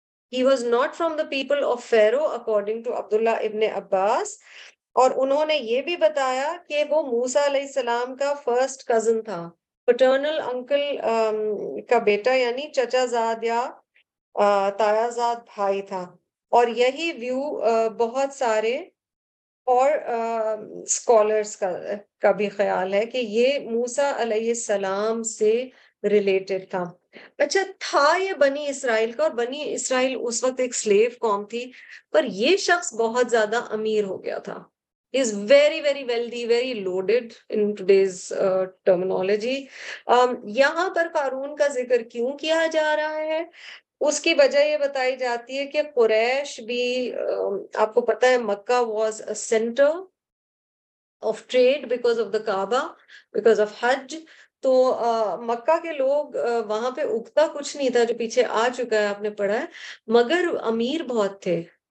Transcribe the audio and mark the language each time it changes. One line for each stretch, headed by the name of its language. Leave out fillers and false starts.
English: He was not from the people of Pharaoh, according to Abdullah ibn Abbas.
Urdu: Aur unhone yeh bhi bataya ke woh Musa alayhi salam ka first cousin tha. Paternal uncle ka beta, yani chacha zad ya تایازاد بھائی تھا. اور یہی view بہت سارے اور scholars کا بھی خیال ہے کہ یہ موسیٰ علیہ السلام سے ریلیٹڈ تھا. اچھا تھا یہ بنی اسرائیل کا, اور بنی اسرائیل اس وقت ایک سلیو قوم تھی, پر یہ شخص بہت زیادہ امیر ہو گیا تھا.
English: Is very very wealthy, very loaded in today's terminology.
Urdu: یہاں پر قارون کا ذکر کیوں کیا جا رہا ہے, اس کی وجہ یہ بتائی جاتی ہے کہ قریش بھی, آپ کو پتا ہے
English: Mecca was a centre of trade because of the Kaaba, because of hajj.
Urdu: تو مکہ کے لوگ, وہاں پہ اگتا کچھ نہیں تھا جو پیچھے آ چکا ہے آپ نے پڑھا ہے, مگر امیر بہت تھے.